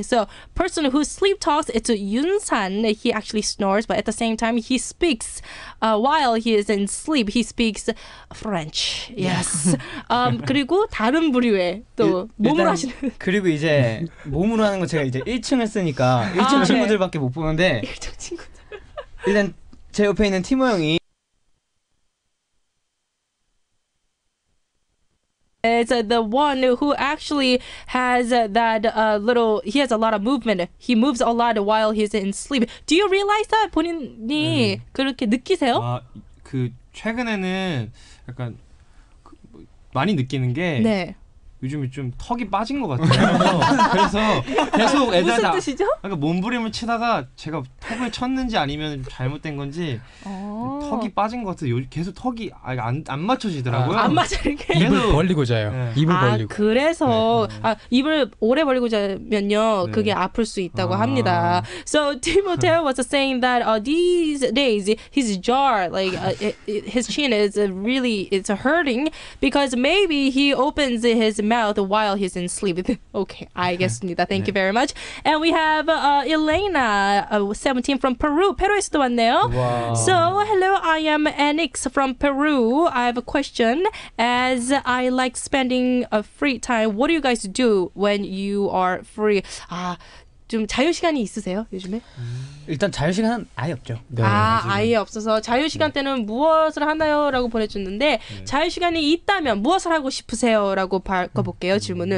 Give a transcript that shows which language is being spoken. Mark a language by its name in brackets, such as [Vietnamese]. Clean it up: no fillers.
[English] So, person who sleep talks, it's Yun San. He actually snores, but at the same time, he speaks while he is in sleep. He speaks French. Yes. [Korean] 그리고 다른 부류의 또 몸으로 하시는. 그리고 이제 몸으로 하는 거 제가 이제 1층 했으니까 1층 아, 친구들밖에 네. 못 보는데. 1층 친구들. 일단 제 옆에 있는 티모 형이. [English] It's the one who actually has that little, he has a lot of movement. He moves a lot while he's in sleep. Do you realize that? [Korean] 본인이 네. 그렇게 느끼세요? 아, 그 최근에는 약간 그, 많이 느끼는 게 네. 요즘에 좀 턱이 빠진 것 같아요. 그래서 계속 애들 무슨 뜻이죠? 약간 몸부림을 치다가 제가 턱을 쳤는지 아니면 잘못된 건지 턱이 빠진 것 같아요. 계속 턱이 안 맞춰지더라고요. 안 맞으니까 입을 벌리고 자요. 네. 입을 벌리고. 아, 그래서 네. 아, 입을 오래 벌리고 자면요, 네. 그게 아플 수 있다고 아. 합니다. [English] So Timothy was saying that these days his jaw, like his chin, is really it's hurting because maybe he opens his mouth while he's in sleep. Okay, I guess need that. Thank 네. you very much. And we have Elena, 17 from Peru. [Korean] 페루에서도 왔네요. [English] So hello, I am Anix from Peru. I have a question. As I like spending a free time, what do you guys do when you are free? [Korean] 아, 좀 자유 시간이 있으세요 요즘에? 일단 자유 시간은 아예 없죠. 네, 아 요즘에. 아예 없어서 자유 시간 네. 때는 무엇을 하나요?라고 보내주는데 네. 자유 시간이 있다면 무엇을 하고 싶으세요?라고 바꿔볼게요 질문을.